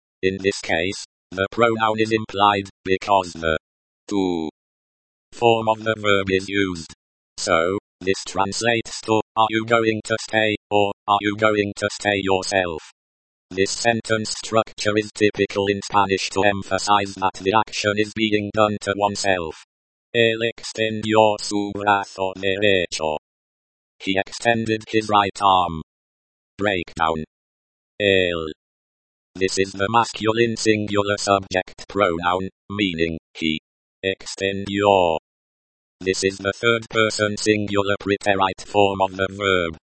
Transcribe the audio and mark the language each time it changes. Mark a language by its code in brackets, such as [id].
[en] In this case, the pronoun is implied, because the tú form of the verb is used. So, this translates to, are you going to stay, or, are you going to stay yourself? This sentence structure is typical in Spanish to emphasize that the action is being done to oneself. [es] Él extendió su brazo derecho. [en] He extended his right arm. Breakdown. Él. This is the masculine singular subject pronoun, meaning he. Extendió. This is the third person singular preterite form of the verb.